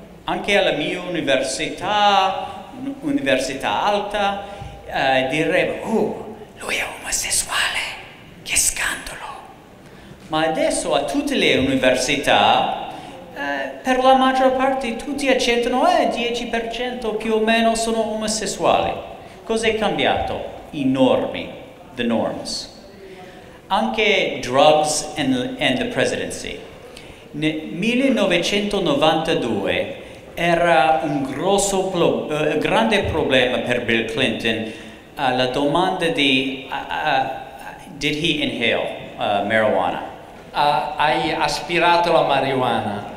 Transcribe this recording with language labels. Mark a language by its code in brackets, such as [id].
[it] Anche alla mia università, università alta, direi, lui è omosessuale, che scandalo. Ma adesso a tutte le università, per la maggior parte, tutti accettano, 10% più o meno sono omosessuali. Cos'è cambiato? I normi, [en] the norms. [it] Anche [en] drugs and the presidency. [it] Nel 1992 era un grosso grande problema per Bill Clinton la domanda di [en] did he inhale marijuana? [it] Hai aspirato la marijuana?